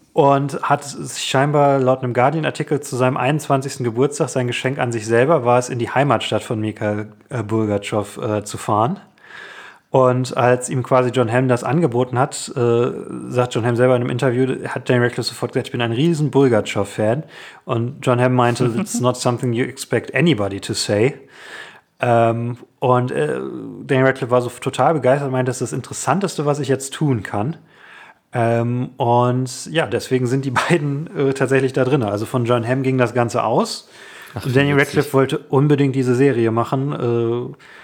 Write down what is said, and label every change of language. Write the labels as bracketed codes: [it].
[de] Und hat scheinbar laut einem Guardian-Artikel zu seinem 21. Geburtstag sein Geschenk an sich selber war es, in die Heimatstadt von Mikhail Bulgachev zu fahren. Und als ihm quasi John Hamm das angeboten hat, sagt John Hamm selber in einem Interview, hat Daniel Radcliffe sofort gesagt, ich bin ein riesen Bulgachev-Fan. Und John Hamm meinte, [en] it's not something you expect anybody to say. [de] Daniel Radcliffe war so total begeistert, meinte, das ist das Interessanteste, was ich jetzt tun kann. Deswegen sind die beiden tatsächlich da drin. Also von John Hamm ging das Ganze aus. Ach, Daniel Radcliffe wollte unbedingt diese Serie machen.